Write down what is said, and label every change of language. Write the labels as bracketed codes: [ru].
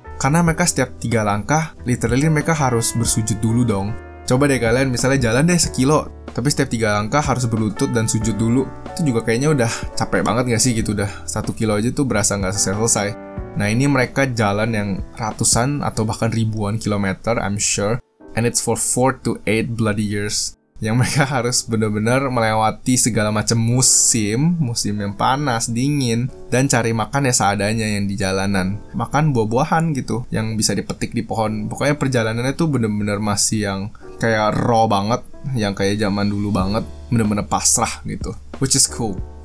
[id] Karena mereka setiap 3 langkah, literally mereka harus bersujud dulu dong. Coba deh kalian misalnya jalan deh 1 kilo, tapi setiap 3 langkah harus berlutut dan sujud dulu. Itu juga kayaknya udah capek banget gak sih gitu, udah 1 kilo aja tuh berasa gak selesai-selesai. Nah ini mereka jalan yang ratusan atau bahkan ribuan kilometer, [en] I'm sure. And it's for 4 to 8 bloody years. [id] Yang mereka harus benar-benar melewati segala macam musim, musim yang panas, dingin, dan cari makan ya seadanya yang di jalanan. Makan buah-buahan gitu, yang bisa dipetik di pohon. Pokoknya perjalanannya tuh benar-benar masih yang kayak raw banget, yang kayak zaman dulu banget, benar-benar pasrah gitu. [en] Which is cool.